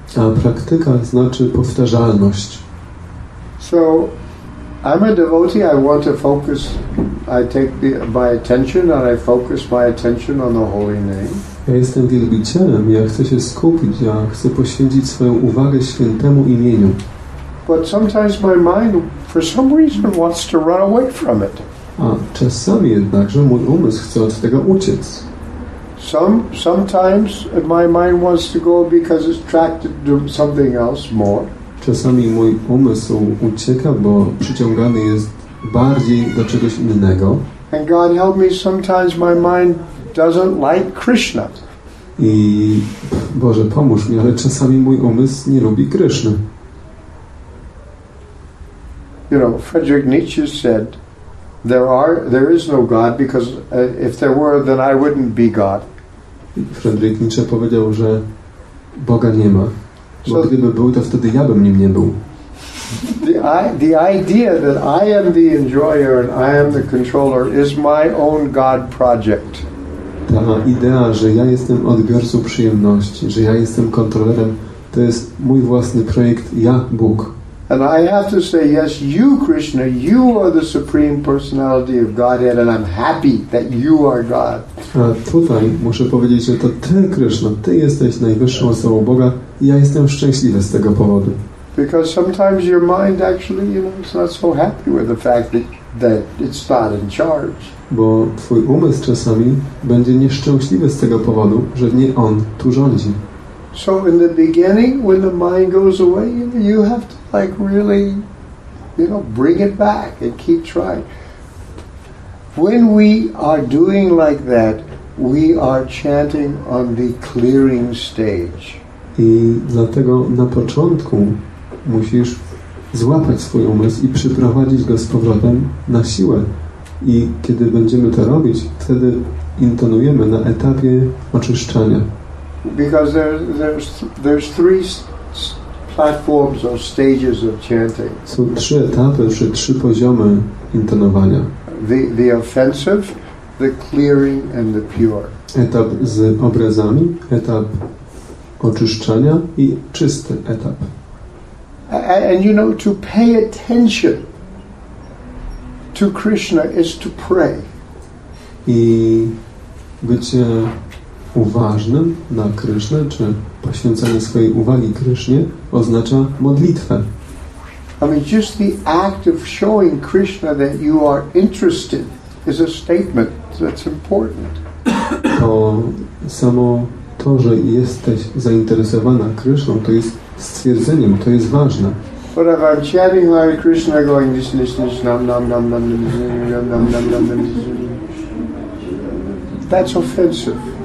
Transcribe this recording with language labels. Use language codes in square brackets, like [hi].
[pl] A praktyka znaczy powtarzalność. [en] So I'm a devotee, I want to focus, I take my attention and I focus my attention on the holy name. [pl] Ja jestem wielbicielem, ja chcę się skupić, ja chcę poświęcić swoją uwagę świętemu imieniu. [en] But sometimes my mind for some reason wants to run away from it. [pl] A czasami jednakże mój umysł chce od tego uciec. [en] Sometimes my mind wants to go because it's attracted to something else more. [pl] Czasami mój umysł ucieka, bo przyciągany jest bardziej do czegoś innego. [en] And God help me, sometimes my mind doesn't like Krishna. [pl] I Boże, pomóż mi, ale czasami mój umysł nie lubi Kryszny. [en] You know, Friedrich Nietzsche said, there is no God, because if there were, then I wouldn't be God. [pl] Friedrich Nietzsche powiedział, że Boga nie ma. Bo gdyby był, to wtedy ja bym nim nie był. [en] The idea that I am the enjoyer and I am the controller is my own God project. [pl] Ta idea, że ja jestem odbiorcą przyjemności, że ja jestem kontrolerem, to jest mój własny projekt, ja, Bóg. [en] And I have to say, yes, you, Krishna, you are the supreme personality of Godhead, and I'm happy that you are God. [pl] A tutaj muszę powiedzieć, że to ty, Krishna, ty jesteś najwyższą osobą Boga, i ja jestem szczęśliwy z tego powodu. [en] Because sometimes your mind actually, you know, is not so happy with the fact that it's not in charge. [pl] Bo twój umysł czasami będzie nieszczęśliwy z tego powodu, że nie on tu rządzi. [en] So in the beginning, when the mind goes away, you know, you have to like really, you know, bring it back and keep trying. When we are doing like that, we are chanting on the clearing stage. [pl] I dlatego na początku musisz złapać swój umysł i przyprowadzić go z powrotem na siłę. I kiedy będziemy to robić, wtedy intonujemy na etapie oczyszczania. [en] Because there's three platforms or stages of chanting. [pl] Są trzy etapy, trzy poziomy intonowania. [en] The offensive, the clearing and the pure. [pl] Etap z obrazami, etap oczyszczania i czysty etap. [en] And you know, to pay attention to Krishna is to pray. [pl] I być uważnym na Krysznę, czy poświęcanie swojej uwagi Krysznie, oznacza modlitwę. [en] I mean, just the act of showing Krishna that you are interested is a statement that's important. [pl] To samo to, że jesteś zainteresowana Kryszną, to jest stwierdzeniem, to jest ważne. [en] But if I'm chanting Hare Krishna, going this, this, this, nam, nam, nam, nam, nam, nam, nam, nam, nam, nam, that's offensive.